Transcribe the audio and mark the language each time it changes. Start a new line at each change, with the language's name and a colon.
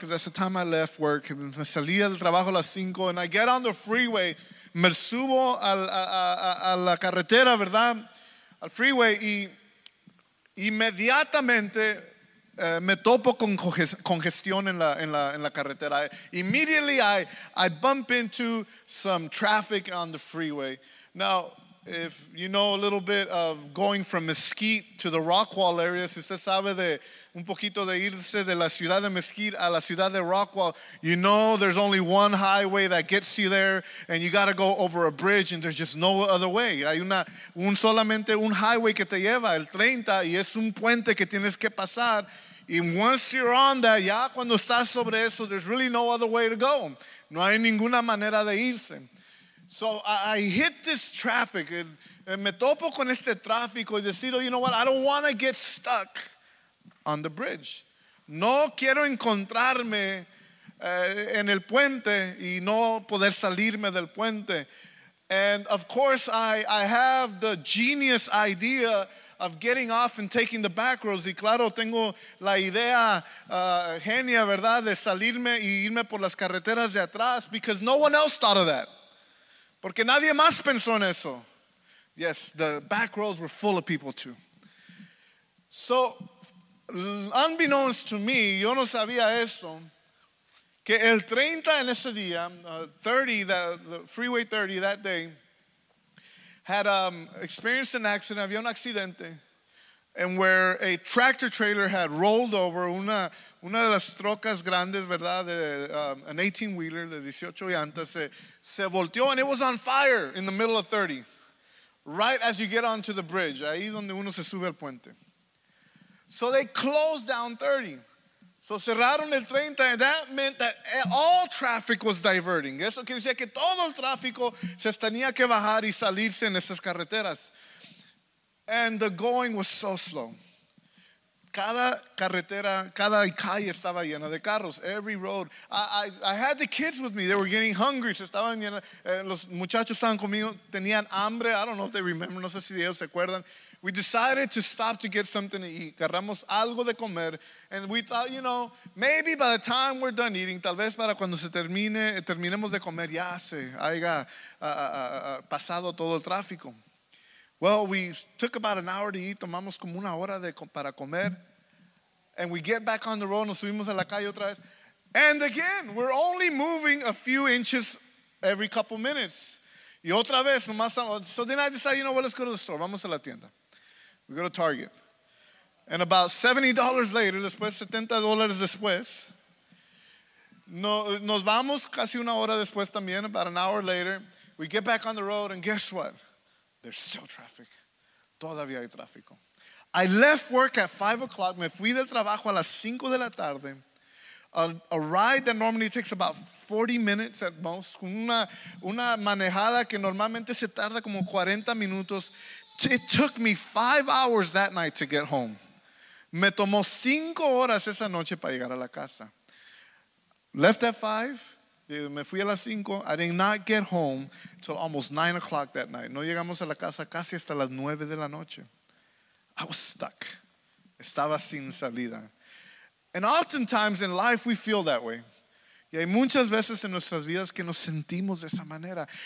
English: That's the time I left work.
Spanish: Me salía del trabajo a las 5.
English: And I get on the freeway.
Spanish: Me subo a la carretera, ¿verdad? Al freeway. Y inmediatamente me topo con congestión en la carretera.
English: Immediately I bump into some traffic on the freeway. Now, if you know a little bit of going from Mesquite to the Rockwall area,
Spanish: si usted sabe de un poquito de irse de la ciudad de Mesquite a la ciudad de Rockwall,
English: you know there's only one highway that gets you there, and you got to go over a bridge, and there's just no other way.
Spanish: Hay solamente un highway que te lleva, el 30, y es un puente que tienes que pasar.
English: And once you're on that,
Spanish: ya cuando estás sobre eso,
English: there's really no other way to go.
Spanish: No hay ninguna manera de irse.
English: So I hit this traffic, and
Spanish: me topo con este tráfico, y decido,
English: you know what, I don't want to get stuck on the bridge.
Spanish: No quiero encontrarme en el puente y no poder salirme del puente.
English: And of course, I have the genius idea of getting off and taking the back roads.
Spanish: Y claro, tengo la idea genia, ¿verdad?, de salirme y irme por las carreteras de atrás,
English: because no one else thought of that.
Spanish: Porque nadie más pensó en eso.
English: Yes, the back roads were full of people too. So, unbeknownst to me,
Spanish: yo no sabía eso, que el 30 en ese día,
English: 30, the freeway 30 that day, had experienced an accident,
Spanish: había un accidente,
English: and where a tractor trailer had rolled over,
Spanish: una de las trocas grandes, ¿verdad?, de
English: an 18-wheeler,
Spanish: de 18 llantas, se volteó,
English: and it was on fire in the middle of 30, right as you get onto the bridge,
Spanish: ahí donde uno se sube al puente.
English: So they closed down 30. So
Spanish: cerraron el 30,
English: and that meant that all traffic was diverting.
Spanish: Eso quiere decir que todo el tráfico se tenía que bajar y salirse en esas carreteras.
English: And the going was so slow.
Spanish: Cada carretera, cada calle estaba llena de carros.
English: Every road. I had the kids with me. They were getting hungry.
Spanish: Se estaban llena. Los muchachos estaban conmigo. Tenían hambre.
English: I don't know if they remember.
Spanish: No sé si ellos se acuerdan.
English: We decided to stop to get something to eat.
Spanish: Agarramos algo de comer.
English: And we thought, you know, maybe by the time we're done eating,
Spanish: tal vez para cuando terminemos de comer, ya se haya pasado todo el tráfico.
English: Well, we took about an hour to eat.
Spanish: Tomamos como una hora para comer.
English: And we get back on the road.
Spanish: Nos subimos a la calle otra vez.
English: And again, we're only moving a few inches every couple minutes.
Spanish: Y otra vez, nomás.
English: So then I decided, you know what, let's go to the store.
Spanish: Vamos a la tienda.
English: We go to Target. And about $70 later,
Spanish: después, $70 después, nos vamos casi una hora después también,
English: about an hour later. We get back on the road, and guess what? There's still traffic.
Spanish: Todavía hay tráfico.
English: I left work at 5 o'clock.
Spanish: Me fui del trabajo a las 5 de la tarde.
English: A ride that normally takes about 40 minutes at most.
Spanish: Una manejada que normalmente se tarda como 40 minutos.
English: It took me 5 hours that night to get home.
Spanish: Me tomó 5 horas esa noche para llegar a la casa.
English: Left at 5,
Spanish: me fui a las 5.
English: I did not get home till almost 9 o'clock that night.
Spanish: No llegamos a la casa casi hasta las 9 de la noche.
English: I was stuck.
Spanish: Estaba sin salida.
English: And oftentimes in life we feel that way.
Spanish: Y hay muchas veces en nuestras vidas que nos sentimos de esa manera.